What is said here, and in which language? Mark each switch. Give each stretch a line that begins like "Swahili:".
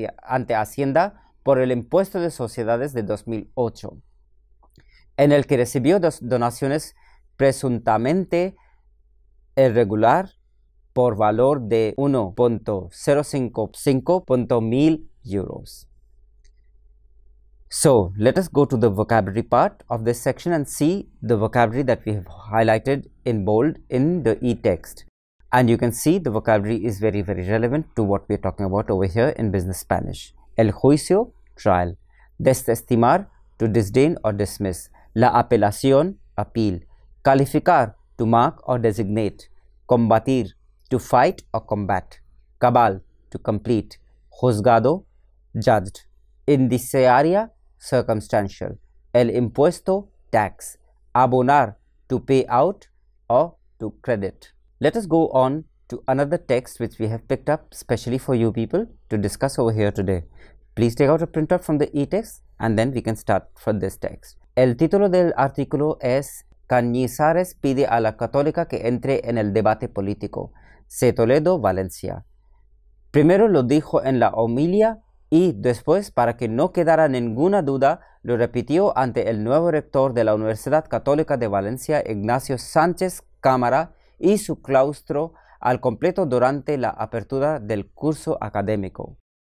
Spanish: ante Hacienda por el impuesto de sociedades de 2008, en el que recibió donaciones presuntamente irregular por valor de 1.055.000 euros.
English: So, let us go to the vocabulary part of this section and see the vocabulary that we have highlighted in bold in the e-text. And you can see the vocabulary is very, very relevant to what we are talking about over here in business Spanish. El juicio, trial. Desestimar, to disdain or dismiss. La apelación, appeal. Calificar, to mark or designate. Combatir, to fight or combat. Cabal, to complete. Juzgado, judged. Indiciaria, circumstantial. El impuesto, tax. Abonar, to pay out or to credit. Let us go on to another text which we have picked up specially for you people to discuss over here today. Please take out a printout from the e-text and then we can start from this text.
Spanish: El título del artículo es Cañizares pide a la Católica que entre en el debate político. C. Toledo, Valencia. Primero lo dijo en la homilia y después, para que no quedara ninguna duda, lo repitió ante el nuevo rector de la Universidad Católica de Valencia, Ignacio Sánchez Cámara, y su claustro al completo durante la apertura del curso académico.